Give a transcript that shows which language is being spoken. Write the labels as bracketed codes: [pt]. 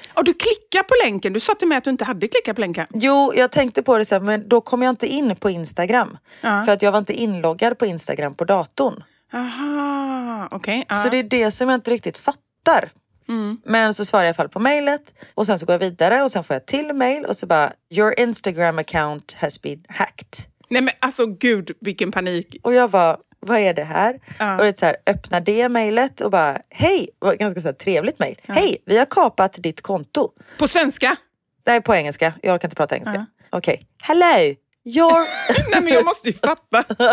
[sv] Och du klickar på länken? Du sa till mig att du inte hade klickat på länken. Jo, jag tänkte på det så här, men då kom jag inte in på Instagram. För att jag var inte inloggad på Instagram på datorn. Aha, okej. Okay, Så det är det som jag inte riktigt fattar. Mm. Men så svarar jag i alla fall på mejlet. Och sen så går jag vidare och sen får jag till mejl. Och så bara, [en] your Instagram account has been hacked. [sv] Nej men alltså gud, vilken panik. Och jag bara, vad är det här? Och det är så här, öppna det mejlet och bara, hej. Var ganska så här, trevligt mejl. Hej, vi har kapat ditt konto. På svenska? Nej, på engelska. Jag kan inte prata engelska. [en] Okej, okay. Hello. Your... [sv] Nej, men jag måste ju fatta.